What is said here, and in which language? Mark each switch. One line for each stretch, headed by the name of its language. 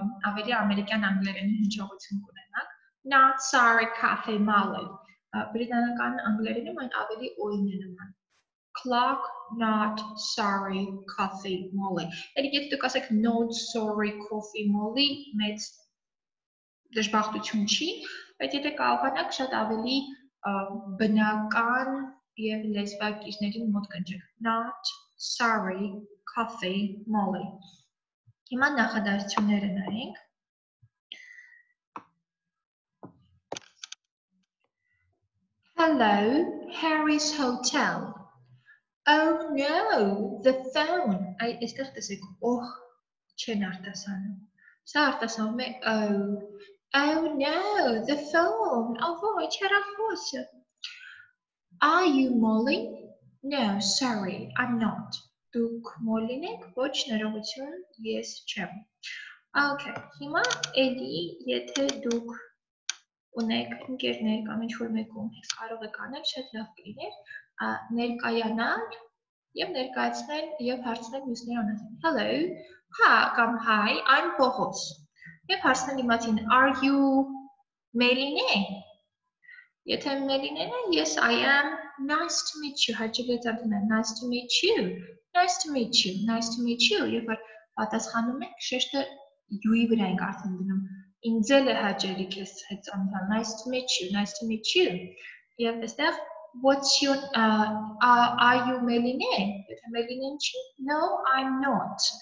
Armenian: ավելի ամերիկյան անգլերենի հնչողություն կունենաք,
English: not, sorry, coffee, Molly,
Armenian: բրիտանական անգլերենում այն ավելի ոյին է նման,
English: clock, not, sorry, coffee, Molly,
Armenian: երբ եթե դուք ասեք not, sorry, coffee, Molly, մեծ դժբախտություն չի, բայց եթե կարողանաք շատ ավելի բնական և լեզվակիրներին մոտ կնջեք, not, sorry, coffee, Molly. Հիմա նախադասությունները նայենք,
English: hello, Harry's hotel, oh no, the phone,
Armenian: այդ եստեղ տեսեք, ող չեն արտասանում, սա արտասանում է, oh,
English: oh no, the phone,
Armenian: ավոյ, հեռախոսը,
English: are you Molly? No, sorry, I'm not.
Armenian: Դուք Molly-ն եք, ոչ, ներողություն, ես չեմ. Okay, հիմա էլի, եթե դուք ունեք ընկերներ կամ ինչ-որ մեկում, կարող եք անել, շատ լավ կլիներ, ներկայանալ եւ ներկայացնել եւ հարցնել մյուսներին օնլայն։
English: Hello, ha
Armenian: կամ
English: hi, I'm Bohos։
Armenian: Եվ հարցնել իմացին
English: are you Meline?
Armenian: Եթե Meline է,
English: yes I am. Nice to meet you.
Armenian: Հաճելի ծանոթանալ.
English: Nice to meet you. Nice to meet you. Nice to meet you.
Armenian: Եվ պատասխանում եք շեշտը you-ի վրա ենք արդեն դնում։ Ինձ էլ է հաճելի քեզ հետ ծանոթանալ։
English: Nice to meet you. Nice to meet you.
Armenian: Եվ այստեղ
English: what's your are you Meline?
Armenian: Եթե Meline չի,
English: no, I'm not.